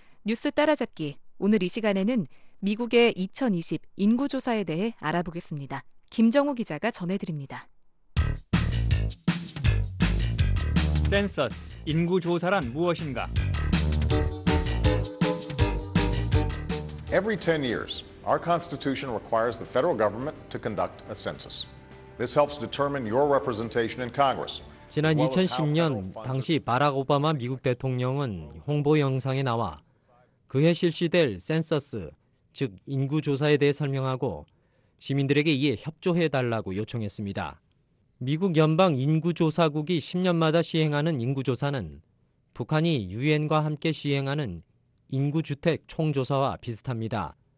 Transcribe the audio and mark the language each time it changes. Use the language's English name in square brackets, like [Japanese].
[Korean] 뉴스 따라잡기, 오늘 이 시간에는 미국의 2020 인구조사에 대해 알아보겠습니다. 김정우 기자가 전해드립니다. 센서스, 인구조사란 무엇인가? [English] Every 10 years, our Constitution requires the federal government to conduct a census. This helps determine your representation in Congress. [Korean] 지난 2010년 당시 바락 오바마 미국 대통령은 홍보 영상에 나와 그해 실시될 센서스, 즉 인구 조사에 대해 설명하고 시민들에게 이에 협조해 달라고 요청했습니다. 미국 연방 인구 조사국이 10년마다 시행하는 인구 조사는 북한이 유엔과 함께 시행하는 인구 주택 총조사와 비슷합니다.